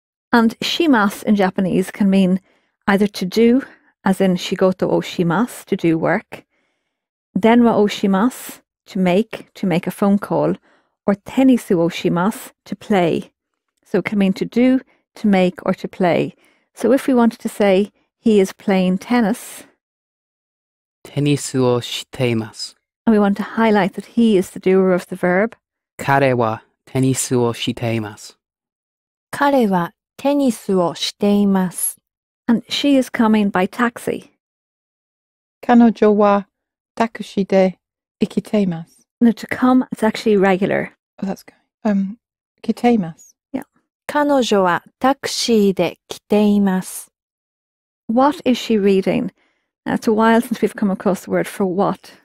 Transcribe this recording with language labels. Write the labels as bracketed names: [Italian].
[English] And します in Japanese can mean either to do,as in [Japanese] 仕事をします, [English] to do work, [Japanese] 電話をします, [English] to make a phone call, or [Japanese] テニスをします, [English] to play. So it can mean to do, to make, or to play. So if we wanted to say, he is playing tennis, [Japanese] テニスをしています. [English] And we want to highlight that he is the doer of the verb, [Japanese] 彼はテニスをしています。彼はテニスをしています。 [English] And she is coming by taxi. [Japanese] 彼女はタクシーで行きています。 [English] No, to come, it's actually regular. Oh, that's good. [Japanese] 来ています。 [English] Yeah. [Japanese] 彼女はタクシーで来ています。 [English] What is she reading? Now, it's a while since we've come across the word for what.